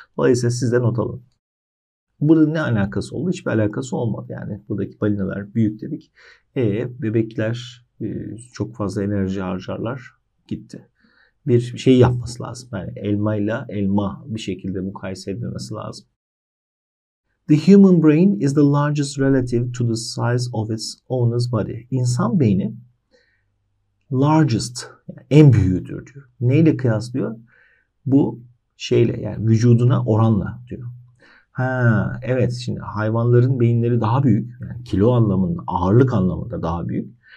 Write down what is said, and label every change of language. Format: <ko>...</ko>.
<tr>Dolayısıyla siz de not alın. Burada ne alakası oldu? Hiçbir alakası olmadı. Yani buradaki balinalar büyük dedik. Bebekler çok fazla enerji harcarlar. Gitti. Bir şey yapması lazım. Yani elmayla elma bir şekilde mukayese edilmesi lazım.</tr> <en>The human brain is the largest relative to the size of its owner's body.</en> <tr>İnsan beyni largest, yani en büyüğüdür diyor. Neyle kıyaslıyor? Bu şeyle, yani vücuduna oranla diyor. Ha evet, şimdi hayvanların beyinleri daha büyük. Yani kilo anlamında, ağırlık anlamında daha büyük.</tr>